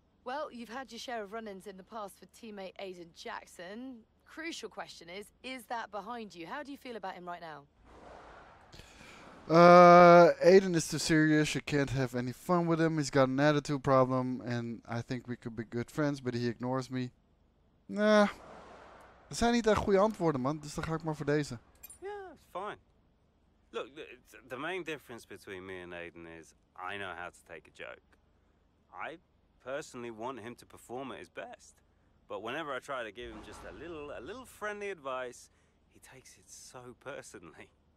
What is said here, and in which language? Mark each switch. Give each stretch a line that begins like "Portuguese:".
English: Well, you've had your share of run-ins in the past with teammate Aiden Jackson. Crucial question is that behind you? How do you feel about him right now? Aiden is too serious. You can't have any fun with him. He's got an attitude problem and I think we could be good friends, but he ignores me. Nah.
Dutch: Er zijn niet echt goede antwoorden, man. Dus dan ga ik maar voor deze.
English: Yeah, it's fine. Look, the main difference between me and Aiden is I know how to take a joke. I personally want him to perform at his best, but whenever I try to give him just a little friendly advice, he takes it so personally.